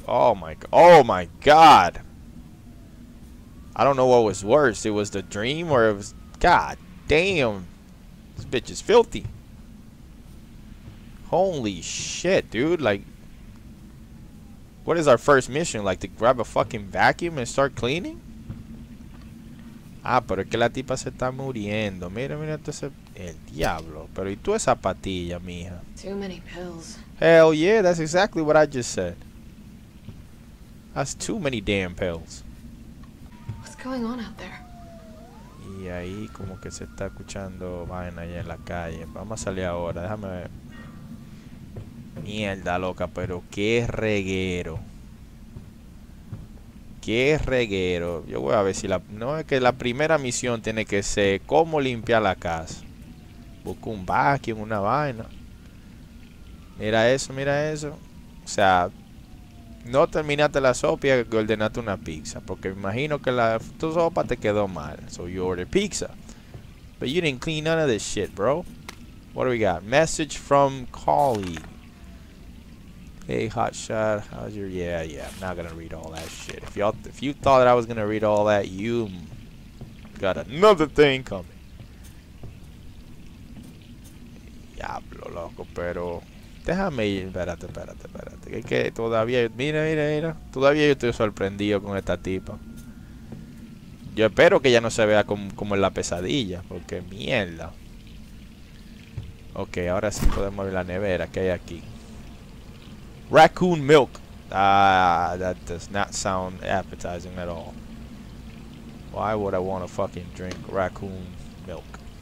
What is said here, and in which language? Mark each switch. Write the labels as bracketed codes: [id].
[en] Oh my God. I don't know what was worse. It was the dream or it was... God damn. This bitch is filthy. Holy shit, dude. Like, what is our first mission? Like, to grab a fucking vacuum and start cleaning? [es] Ah, pero es que la tipa se está muriendo. Mira, esto es el diablo. Pero ¿y tú esa patilla, mija? [en] Too many pills. Hell yeah, that's exactly what I just said. That's too many damn pills. Going on out there. [es] Y ahí como que se está escuchando vaina allá en la calle. Vamos a salir ahora. Déjame ver. Mierda, loca, pero qué reguero. Qué reguero. Yo voy a ver si la. No, es que la primera misión tiene que ser cómo limpiar la casa. Busco un vacuum, una vaina. Mira eso, mira eso. O sea, no terminaste la sopa y ordenaste una pizza. Porque me imagino que la tu sopa te quedó mal. [en] So you order pizza. But you didn't clean none of this shit, bro. What do we got? Message from colleague. Hey, hotshot. How's your. Yeah. I'm not gonna read all that shit. If you thought that I was gonna read all that, you got another thing coming. [es] Diablo, loco, pero. Déjame ir. Espérate. Es que todavía. Mira. Todavía yo estoy sorprendido con esta tipa. Yo espero que ya no se vea como en la pesadilla. Porque mierda. Ok, ahora sí podemos ver la nevera que hay aquí. [en] Raccoon milk. Ah, that does not sound appetizing at all. Why would I want to fucking drink raccoon milk?